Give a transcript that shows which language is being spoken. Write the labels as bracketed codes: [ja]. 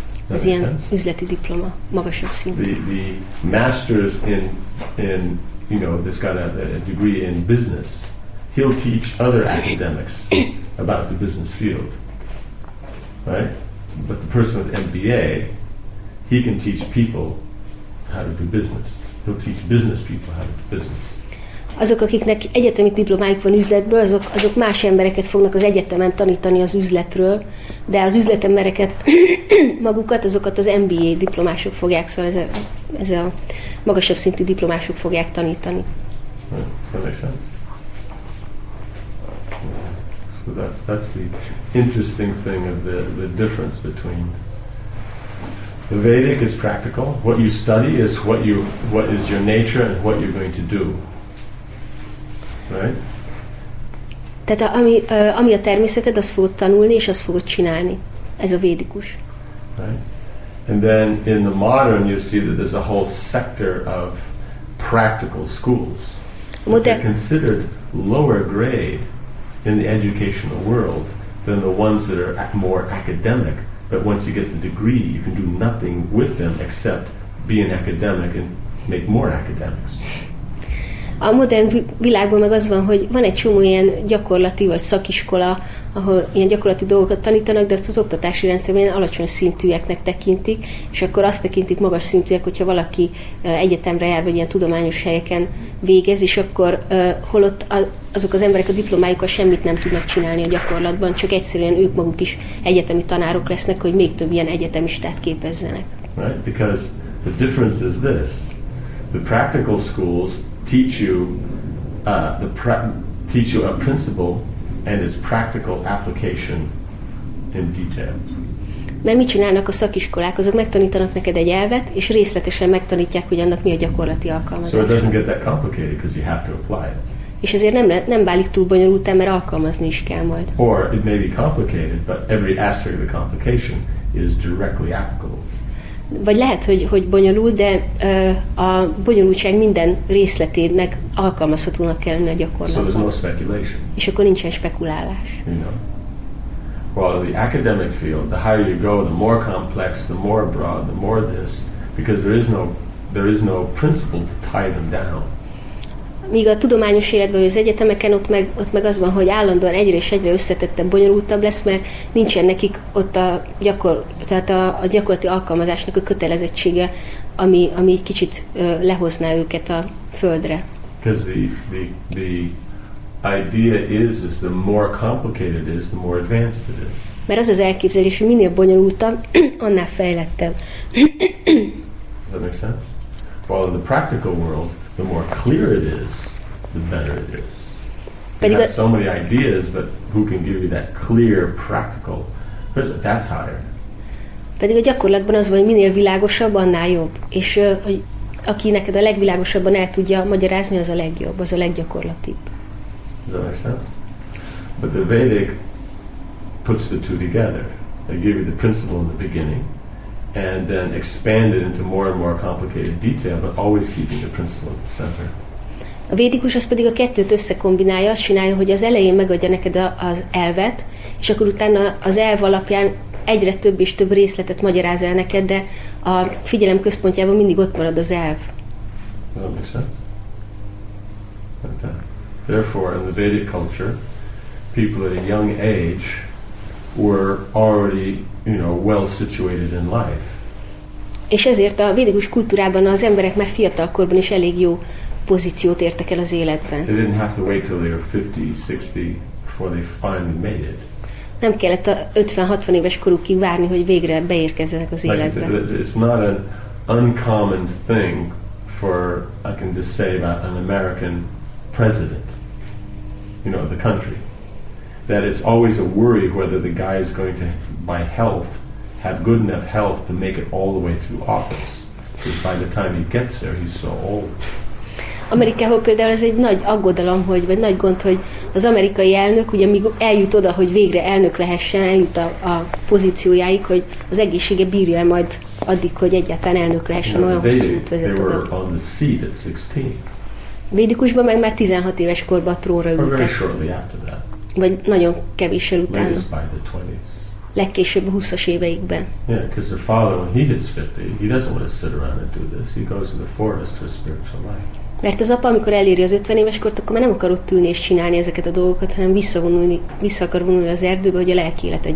[hu] Ez ilyen üzleti diploma, magasabb szint. [en] The master's in, you know, this got a degree in business, he'll teach other academics about the business field, right? But the person with MBA, he can teach people how to do business. He'll teach business people how to do business. [hu] Azok, akiknek egyetemi diplomájuk van üzletből, azok más embereket fognak az egyetemen tanítani az üzletről, de az üzletembereket magukat, azokat az MBA diplomások fogják, szóval ez a magasabb szintű diplomások fogják tanítani. [en] That makes sense. So that's the interesting thing of the difference between the Vedic is practical. What you study is what is your nature and what you're going to do. Right. [hu] Tehát ami a természeted, azt fogod tanulni és azt fogod csinálni. Ez a védikus. [en] Right. And then in the modern you see that there's a whole sector of practical schools. They're considered lower grade in the educational world than the ones that are more academic, but once you get the degree, you can do nothing with them except be an academic and make more academics. [hu] A modern világban meg az van, hogy van egy csomó ilyen gyakorlati vagy szakiskola, ahol ilyen gyakorlati dolgokat tanítanak, de ezt az oktatási rendszerben alacsony szintűeknek tekintik, és akkor azt tekintik magas szintűek, hogyha valaki egyetemre jár, vagy ilyen tudományos helyeken végez, és akkor holott azok az emberek a diplomájukkal semmit nem tudnak csinálni a gyakorlatban, csak egyszerűen ők maguk is egyetemi tanárok lesznek, hogy még több ilyen egyetemistát képezzenek. [en] Right, because the difference is this. The practical schools teach you a principle and its practical application in detail. [hu] Mert mit csinálnak a szakiskolák? Azok megtanítanak neked egy elvet, és részletesen megtanítják, hogy annak mi a gyakorlati alkalmazása. [en] So it doesn't get that complicated because you have to apply it. [hu] És ezért nem válik túl bonyolult, mert alkalmazni is kell majd. [en] Or it may be complicated, but every aspect of the complication is directly applicable. [hu] Vagy lehet, hogy bonyolult, de a bonyolultság minden részletének alkalmazhatónak kell lenni a gyakorlatban. [en] So there's no speculation. [hu] És akkor nincsen spekulálás. [en] You know. Well, the academic field, the higher you go, the more complex, the more broad, the more this, because there is no principle to tie them down. [hu] Míg a tudományos életben, vagy az egyetemeken, ott meg az van, hogy állandóan egyre és egyre összetettebb, bonyolultabb lesz, mert nincsen nekik ott a gyakorlati alkalmazásnak a kötelezettsége, ami egy kicsit lehozná őket a földre. [en] Because the idea is the more complicated is, the more advanced it is. [hu] Mert az az elképzelés, hogy minél bonyolultabb, annál fejlettebb. [en] Does that make sense? Well, in the practical world, the more clear it is, the better it is. You have so many ideas, but who can give you that clear, practical? Because that's higher. [hu] Pedig a gyakorlatban az van, hogy minél világosabb, annál jobb. És hogy aki neked a legvilágosabban el tudja magyarázni, az a legjobb, az a leggyakorlatibb. [en] Does that make sense? But the Vedic puts the two together. They give you the principle in the beginning, and then expand it into more and more complicated detail, but always keeping the principle at the center. [hu] A védikus az pedig a kettőt összekombinálja, azt csinálja, hogy az elején megadja neked az elvet, és akkor utána az elv alapján egyre több és több részletet magyaráz el neked, de a figyelem központjában mindig ott marad az elv. [en] That makes sense. Okay. Therefore, in the Vedic culture, people at a young age were already, you know, well situated in life. [hu] És ezért a védikus kultúrában az emberek már fiatal korban is elég jó pozíciót értek el az életben. [en] They didn't have to wait till they were 50, 60 before they finally made it. [hu] Nem kellett a 50-60 éves korukig várni, hogy végre beérkezzenek az életbe. [en] It's not an uncommon thing for, I can just say, about an American president, you know, the country, that it's always a worry whether the guy is going to, by health, have good enough health to make it all the way through office. Because by the time he gets there, he's so old. [hu] Amerikában például ez egy nagy aggodalom, vagy nagy gond, hogy az amerikai elnök, ugye míg eljut oda, hogy végre elnök lehessen, eljut a pozíciójáig, hogy az egészsége bírja-e majd addig, hogy egyáltalán elnök lehessen, olyan hosszú út vezet oda. [en] They were on the seat at 16. [hu] Védikusban meg már 16 éves korban a trónra ültek. [en] Or very shortly after that. [hu] Vagy nagyon kevéssel utána. [en] Latest by the 20s. [hu] Legkésőbb a 20-as éveikben. [en] Yeah, because the father, when he hits 50, he doesn't want to sit around and do this. He goes to the forest for spiritual life. [hu] Mert az apa, amikor eléri az 50 éves kort, akkor már nem akar ott ülni és csinálni ezeket a dolgokat, hanem vissza akar vonulni az erdőbe, hogy a lelki életet